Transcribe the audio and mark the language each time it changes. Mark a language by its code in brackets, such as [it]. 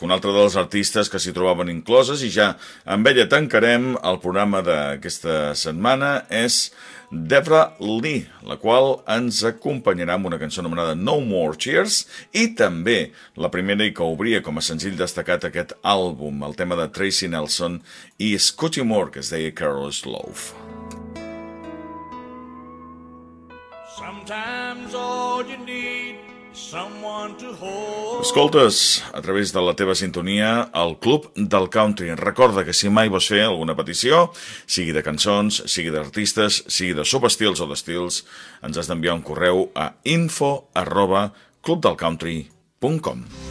[ca] Un altre dels artistes que s'hi trobaven incloses, i ja amb ella tancarem el programa d'aquesta setmana, és Debra Lee, la qual ens acompanyarà amb una cançó anomenada No More Cheers, i també la primera i que obria com a senzill destacat aquest àlbum, el tema de Tracy Nelson i Scotty Moore, que es deia Carol's Love. [en] Sometimes all you need is someone to hold. [ca] Escoltes a través de la teva sintonia el Club del Country. Recorda que si mai vas fer alguna petició, sigui de cançons, sigui d'artistes, sigui de subestils o d'estils, ens has d'enviar un correu a info@clubdelcountry.com.